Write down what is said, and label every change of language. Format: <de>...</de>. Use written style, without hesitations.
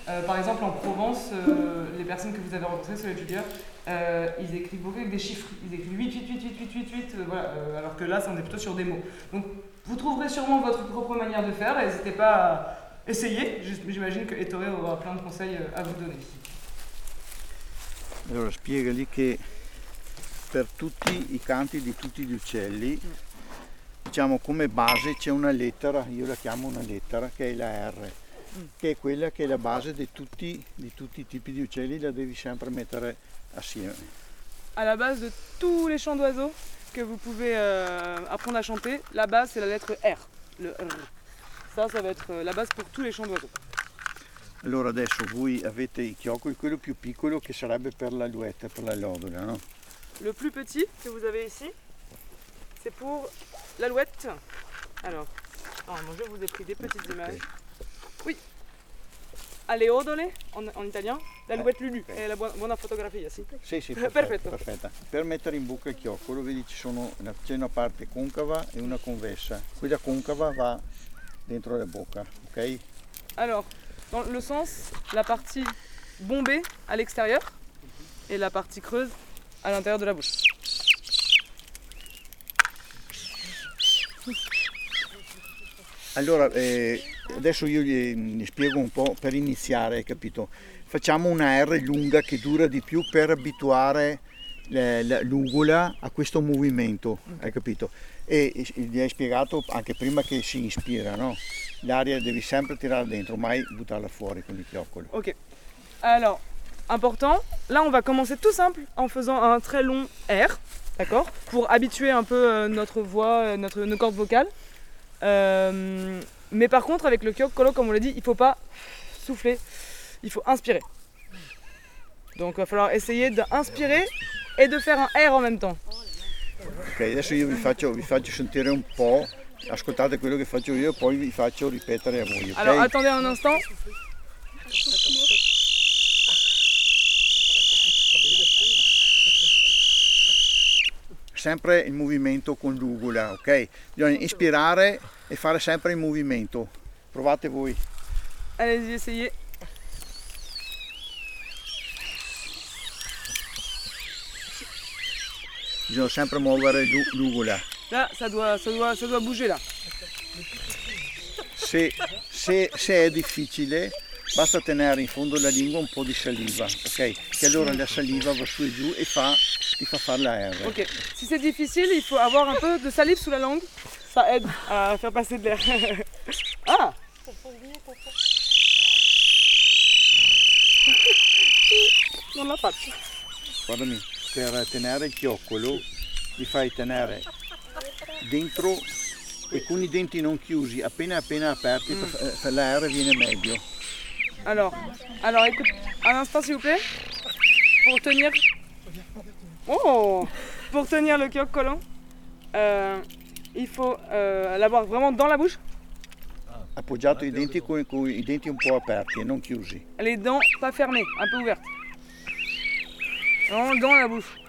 <fr>Par exemple, en Provence, les personnes que vous avez rencontrées, Soleil Julia, ils écrivent beaucoup avec des chiffres. Ils écrivent 8, 8, 8, 8, 8, 8, 8, voilà. Alors que là, on est plutôt sur des mots. Donc, vous trouverez sûrement votre propre manière de faire, et n'hésitez pas à essayer. J'imagine que Ettore aura plein de conseils à vous donner.</fr> <it>Allora spiega lì che per tutti i canti di tutti gli uccelli, diciamo, come base c'è una lettera, io la chiamo una lettera, che è la R, che è quella che è la base di tutti i tipi di uccelli, la devi sempre mettere assieme. Alla base di tutti i</it> <fr>chants d'oiseaux che vous pouvez apprendre à chanter, la base c'est la lettre R, le R. Ça va être la base pour tous les chants d'oiseaux.</fr> <it>Allora adesso voi avete i chioccoli, quello più piccolo che sarebbe per l'alluetta, per la lodola, no?</it> <fr>Le plus petit que vous avez ici, c'est pour l'alouette. Alors, normalement je vous ai pris des petites images. Oui. Alle odole, en italien, l'alouette Lulu. Okay.</fr> <it>È la buona fotografia, sì? Sì, sì, perfetto. Perfetto. Per mettere in bocca il chioccolo, vedi, c'è una parte concava e una convessa. Quella concava va dentro la bocca, ok? Allora.</it> <fr>Dans le sens, la partie bombée à l'extérieur et la partie creuse à l'intérieur de la bouche.</fr> <it>Allora, adesso io gli spiego un po' per iniziare, hai capito? Facciamo una R lunga che dura di più per abituare l'ungula a questo movimento, hai capito? E gli hai spiegato anche prima che si inspira, no? L'aria devi sempre tirare dentro, mai buttarla fuori con il chioccolo.</it> <fr>Ok, allora, important, là on va commencer tout simple en faisant un très long R, d'accord? Pour habituer un peu notre voix, nos cordes vocales. Mais par contre, avec le chioccolo, comme on l'a dit, il faut pas souffler, il faut inspirer. Donc il va falloir essayer d'inspirer et de faire un R en même temps.</fr> <it>Ok, adesso io vi faccio sentire un po', ascoltate quello che faccio io, poi vi faccio ripetere a voi, ok?</it> <fr>Allora, attendez un instant.</fr> <it>Sempre il movimento con l'ugula, ok? Bisogna inspirare e fare sempre il movimento. Provate voi.</it> <fr>Allez-y, essayez. Il</fr> <it>Bisogna sempre muovere l'ugola.</it> <fr>Là, ça doit bouger là.</fr> <it>Se è difficile, basta tenere in fondo la lingua un po' di saliva, ok? Che allora la saliva va su e giù e ti fa fare la R.</it> <fr>Ok, si c'è difficile, il faut avoir un peu de salive sous la langue, ça aide à faire passer de l'air. Ah!</fr> <it>Non la faccio. Guardami, per tenere il chioccolo, li fai tenere dentro e con i denti non chiusi, appena aperti, l'air viene meglio.</it> <fr>Allora, écoute, un instant s'il vous plaît, pour tenir. Oh! Pour tenir le chioccolo, il faut l'avoir vraiment dans la bouche.</fr> <it>Appoggiato i denti con i denti un po' aperti e non chiusi.</it> <fr>Les dents pas fermées, un peu ouvertes. Vraiment dans la bouche.</fr>